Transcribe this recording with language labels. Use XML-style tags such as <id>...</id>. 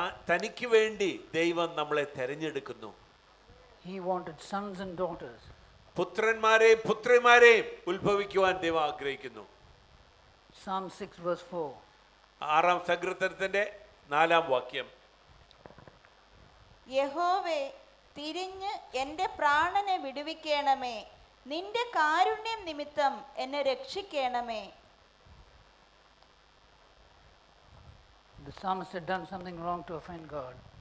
<ml>തനിക്ക് വേണ്ടി ദൈവം നമ്മളെ തിരഞ്ഞെടുക്കുന്നു.</ml> <en>He wanted sons and daughters.</en> <ml>പുത്രന്മാരെയും പുത്രിമാരെയും ഉത്ഭവിക്കുവാൻ ദൈവം ആഗ്രഹിക്കുന്നു.</ml> <en>Psalm 6 verse 4.</en> <ml>ആറാം സങ്കീർത്തനത്തിന്റെ നാലാം വാക്യം. യഹോവേ, തിരിഞ്ഞ് എൻ്റെ പ്രാണനെ വിടുവിക്കണമേ, നിന്റെ കാരുണ്യം നിമിത്തം എന്നെ രക്ഷിക്കണമേ.</ml> <en>The psalmist had done something wrong to offend God.</en>